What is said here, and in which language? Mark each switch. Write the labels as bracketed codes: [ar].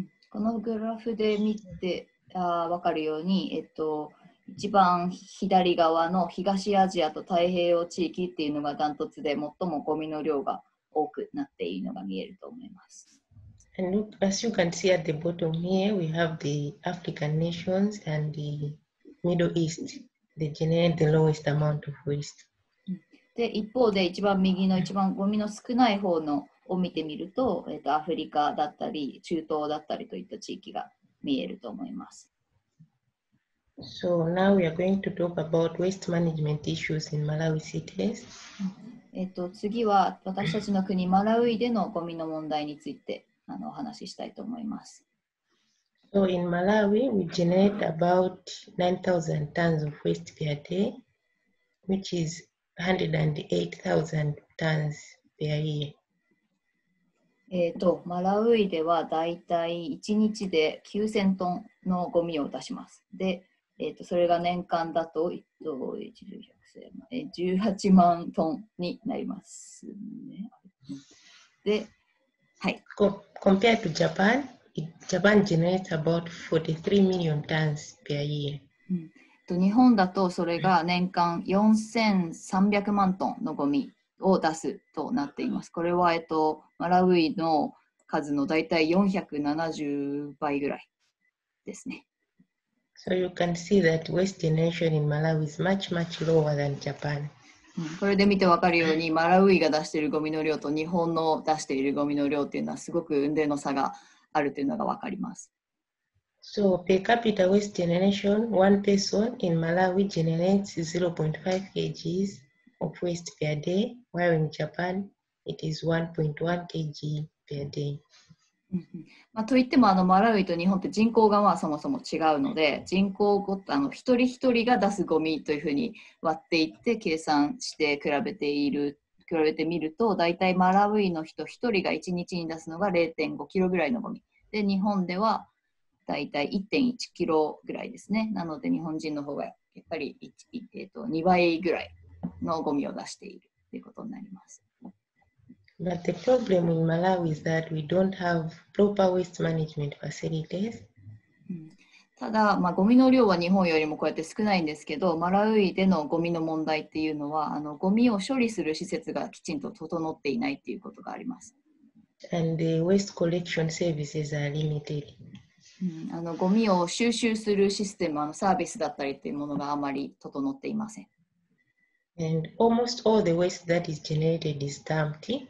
[ja] このグラフで見て分かるように、一番左側の東アジアと太平洋地域っていうのがダントツで最もゴミの量が多くなっているのが見えると思います。 [en] And look, as you can see at the bottom here, we have the African nations and the Middle East. They generate the lowest amount of waste. [ja] で、一方で一番右の一番ゴミの少ない方のを見てみると、アフリカだったり、中東だったりといった地域が見えると思います。 [en] So now we are going to talk about waste management issues in Malawi cities. [ja] 次は私たちの国マラウイでのゴミの問題についてお話ししたいと思います。 [en] So in Malawi, we generate about 9,000 tons of waste per day, which is 108,000 tons per year. [ja] マラウイではだいたい1日で9000トンのゴミを出します。で、それが年間だと18万トンになります、ね。で、はい。 [en] Compared to Japan, Japan generates about 43 million tons per year.、 [ja] 日本だとそれが年間4300万トンのゴミ。を出すとなっています。これは、マラウイの数のだいたい470倍ぐらいですね。 [en] So you can see that waste generation in Malawi is much, much lower than Japan. [ja] これで見てわかるように、マラウイが出しているゴミの量と日本の出しているゴミの量っていうのはすごく雲泥の差があるというのがわかります。 [en] So per capita waste generation, one person in Malawi generates 0.5 kgs. Of waste per day, while in Japan it is 1.1 kg per day. [ja] まあ、といってもあのマラウイと日本って人口がまあそもそも違うので、人口ごとあの一人一人が出すゴミというふうに割っていって計算して比べている、比べてみると、だいたいマラウイの人一人が1日に出すのが 0.5 キロぐらいのゴミで、日本ではだいたい 1.1 キロぐらいですね。なので日本人の方がやっぱり2倍ぐらいのゴミを出しているということになります。 [en] But the problem in Malawi is that we don't have proper waste management facilities. [ja] ただ、まあ、ゴミの量は日本よりもこうやって少ないんですけど、マラウイでのゴミの問題っていうのは、あのゴミを処理する施設がきちんと整っていないっていうことがあります。 [en] And the waste collection services are limited. [ja] あのゴミを収集するシステム、あのサービスだったりっていうものがあまり整っていません。 [en] And almost all the waste that is generated is dumped.